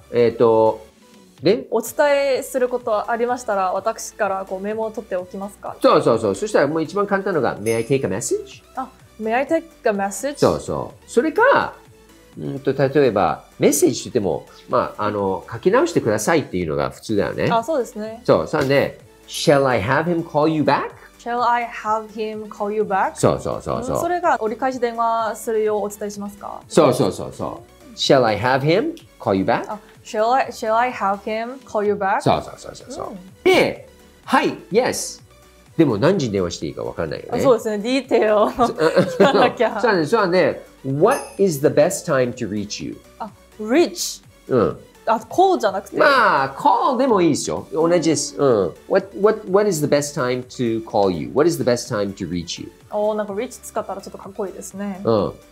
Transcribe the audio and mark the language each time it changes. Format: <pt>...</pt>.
<ja>で、お伝えすることありましたら、私からこうメモを取っておきますか。そうそうそう。そしたらもう一番簡単なのが、</ja> <en>May I take a message? あ、May I take a message?</en> <ja>そうそう。それか、例えば、メッセージって言っても、まあ、書き直してくださいっていうのが普通だよね。あ、そうですね。そう、さあね、</ja> <en>Shall I have him call you back? Shall I have him call you back?</en> <ja>そうそうそうそう。それが折り返し電話するようお伝えしますか。そうそうそうそう。</ja> <en>Shall I have him call you back? Shall I have him call you back?</en> <ja>そうそうそうそうそう。で、はい、yes。でも何時に電話していいか分からないよね。そうですね、ディテール聞かなきゃ。そうね、そうね。</ja> <en>What is the best time to reach you? Reach。</en> <ja>うん。あ、call じゃなくて。まあ、call でもいいですよ。同じです。うん。</ja> <en>What is the best time to call you? What is the best time to reach you?</en> <ja>おー、なんか reach 使ったらちょっとかっこいいですね。うん。</ja>